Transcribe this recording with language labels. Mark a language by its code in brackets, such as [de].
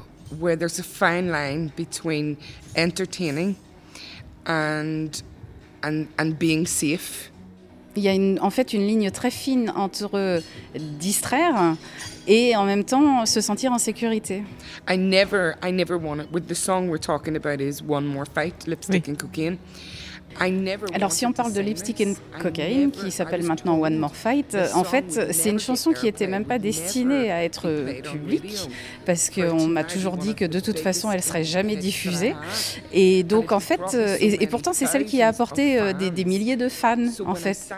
[en] Where there's a fine line between entertaining and being safe. [fr] Il y a une ligne très fine entre distraire et en même temps se sentir en sécurité. [en] I never want it. With the song we're talking about is One More Fight, Lipstick and Cocaine. [fr] Alors si on parle de Lipstick and Cocaine, qui s'appelle maintenant One More Fight, en fait, c'est une chanson qui n'était même pas destinée à être publique, parce qu'on m'a toujours dit que de toute façon, elle ne serait jamais diffusée. Et donc, en fait, et pourtant, c'est celle qui a apporté des milliers de fans, en fait.